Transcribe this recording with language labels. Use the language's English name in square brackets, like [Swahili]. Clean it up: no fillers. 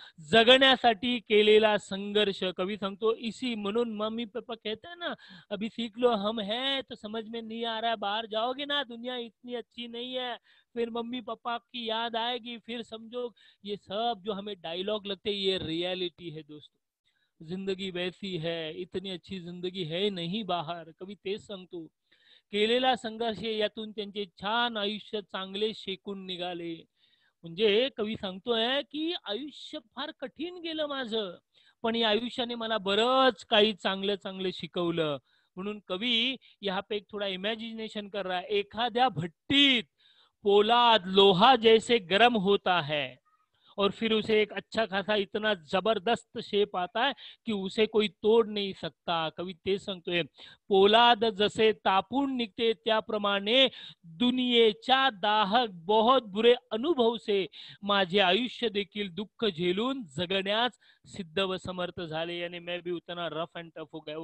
[Marathi] जगण्यासाठी केलेला संघर्ष, कवी सांगतो [Hindi] इसी म्हणून मम्मी पप्पा कहते हैं ना अभी सीख लो हम है तो समझ में नहीं आ रहा है, बाहर जाओगे ना दुनिया इतनी अच्छी नहीं है, फिर मम्मी पापा की याद आएगी, फिर समझो, ये सब जो हमें डायलॉग लगते हैं ये रियलिटी है दोस्तों, जिंदगी वैसी है, इतनी अच्छी जिंदगी है नहीं बाहर। [Marathi] कवी तेज सांगतो केलेला संघर्ष, यातून त्यांचे छान आयुष्य चांगले शेकून निघाले, म्हणजे कवी सांगतोय की आयुष्य फार कठीण गेलं माझं, पण या आयुष्याने मला बरंच काही चांगलं चांगलं शिकवलं। [Hindi] म्हणून कवी यहाँ पे एक थोडा इमॅजिनेशन कर रहा है, [Marathi] एखाद्या भट्टीत [Hindi] पोलाद लोहा जैसे गरम होता है और फिर उसे एक अच्छा खासा इतना जबरदस्त शेप आता है कि उसे कोई तोड़ नहीं सकता। [Marathi] कवी तेज सांगतोय पोलाद जसे तापून निघते त्याप्रमाणे दुनियेचा दाहक [Hindi] बहुत बुरे अनुभव से [Marathi] माझे आयुष्य देखील दुःख झेलून जगण्यास सिद्ध व समर्थ झाले, [Hindi] यानी मैं भी उतना रफ एंड टफ हो गया।